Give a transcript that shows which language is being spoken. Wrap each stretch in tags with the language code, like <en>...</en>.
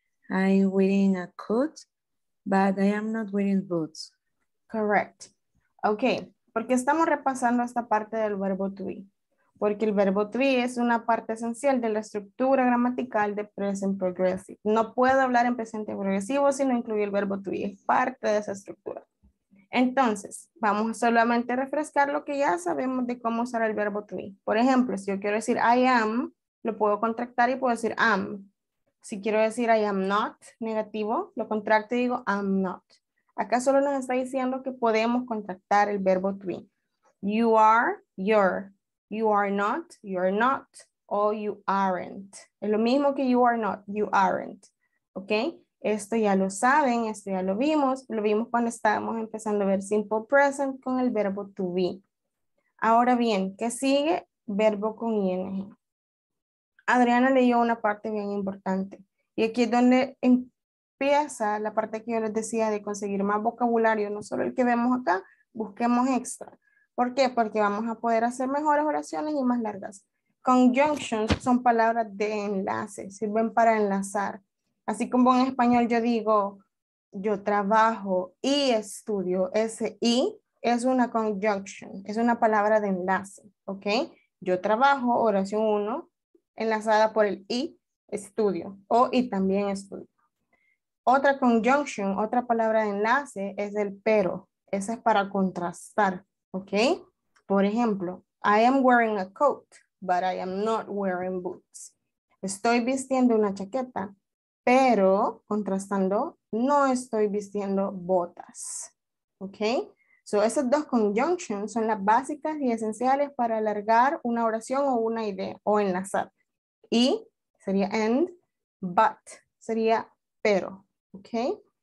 <en>I'm wearing a coat, but I am not wearing boots. Correct. Okay.</en> <es>¿Por qué estamos repasando esta parte del verbo to be? Porque el verbo to be es una parte esencial de la estructura gramatical de present progressive. No puedo hablar en presente progresivo si no incluye el verbo to be. Es parte de esa estructura. Entonces, vamos solamente a refrescar lo que ya sabemos de cómo usar el verbo to be. Por ejemplo, si yo quiero decir I am, lo puedo contractar y puedo decir am. Si quiero decir I am not, negativo, lo contracto y digo I'm not. Acá solo nos está diciendo que podemos contractar el verbo to be.</es> <en>You are, you're. You are not, you're not, o you aren't.</en> <es>Es lo mismo que</es> <en>you are not, you aren't. ¿Ok?</en> <es>Esto ya lo saben, esto ya lo vimos cuando estábamos empezando a ver simple present con el verbo to be. Ahora bien, ¿qué sigue? Verbo con ing. Adriana leyó una parte bien importante. Y aquí es donde empieza la parte que yo les decía de conseguir más vocabulario, no solo el que vemos acá, busquemos extra. ¿Por qué? Porque vamos a poder hacer mejores oraciones y más largas. Conjunctions son palabras de enlace, sirven para enlazar. Así como en español yo digo, yo trabajo y estudio, ese y es una conjunction, es una palabra de enlace, ¿ok? Yo trabajo, oración 1, enlazada por el y, estudio, o y también estudio. Otra conjunction, otra palabra de enlace es el pero, esa es para contrastar, ¿ok? Por ejemplo,</es> <en>I am wearing a coat, but I am not wearing boots.</en> <es>Estoy vistiendo una chaqueta, pero, contrastando, no estoy vistiendo botas, ¿ok? So, esas dos conjunctions son las básicas y esenciales para alargar una oración o una idea o enlazar. Y sería and, but sería pero, ¿ok?</es>